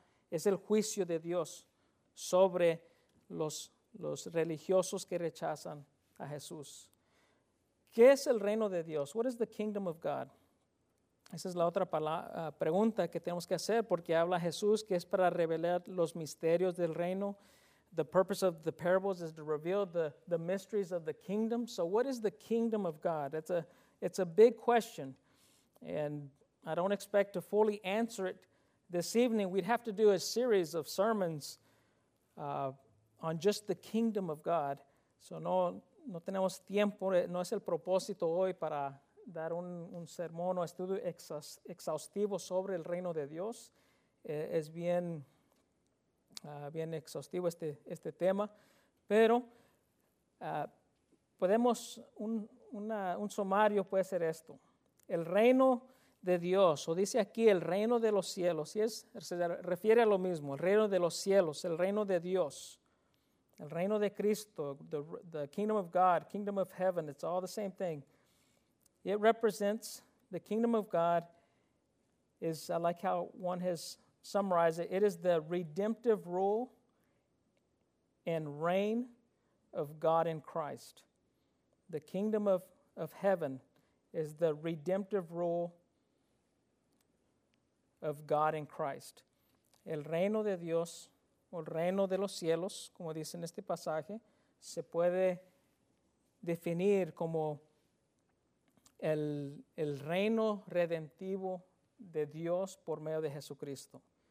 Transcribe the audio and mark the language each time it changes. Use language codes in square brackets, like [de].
[es] Es el juicio de Dios sobre los religiosos que rechazan a Jesús. ¿Qué es el reino de Dios? [en] What is the kingdom of God? [es] Esa es la otra pregunta que tenemos que hacer, porque habla Jesús que es para revelar los misterios del reino. [en] The purpose of the parables is to reveal the mysteries of the kingdom. So what is the kingdom of God? It's a big question, and I don't expect to fully answer it this evening. We'd have to do a series of sermons on just the kingdom of God. [es] So no tenemos tiempo, no es el propósito hoy para dar un sermón o estudio exhaustivo sobre el reino de Dios. Es bien, bien exhaustivo este tema, pero podemos, un sumario puede ser esto. El reino de Dios, o dice aquí el reino de los cielos, y es, se refiere a lo mismo, el reino de los cielos, el reino de Dios, el reino de Cristo, [en] the kingdom of God, kingdom of heaven, it's all the same thing. It represents the kingdom of God is, I like how one has summarized it, it is the redemptive rule and reign of God in Christ. The kingdom of heaven is the redemptive rule of God in Christ. [es] El reino de Dios, o el reino de los cielos, como dice en este pasaje, se puede definir como el reino redentivo de Dios por medio de Jesucristo.